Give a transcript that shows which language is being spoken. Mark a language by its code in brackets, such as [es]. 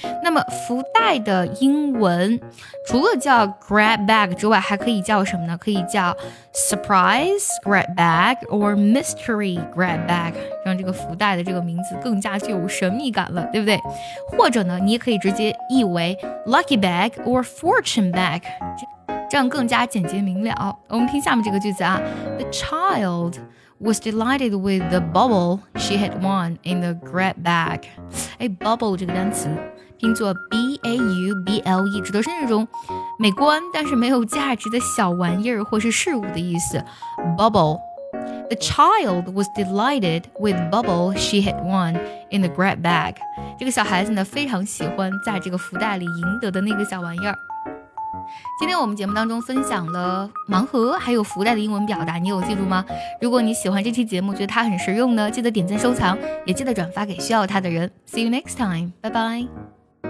[zh] 那么福袋的英文除了叫 grab bag 之外还可以叫什么呢可以叫 surprise grab bag or mystery grab bag 让这个福袋的这个名字更加具有神秘感了对不对或者呢你也可以直接译为 lucky bag or fortune bag这样更加简洁明了。我们听下面这个句子啊。 [en] The child was delighted with the bubble she had won in the grab bag. [zh] Bubble 这个单词拼作 B-A-U-B-L-E, 指的是那种美观但是没有价值的小玩意儿或是事物的意思。 [en] Bubble. The child was delighted with the bubble she had won in the grab bag. [zh] 这个小孩子呢非常喜欢在这个福袋里赢得的那个小玩意儿。今天我们节目当中分享了盲盒还有福袋的英文表达你有记住吗如果你喜欢这期节目觉得它很实用呢记得点赞收藏也记得转发给需要它的人 [en] See you next time [zh] 拜拜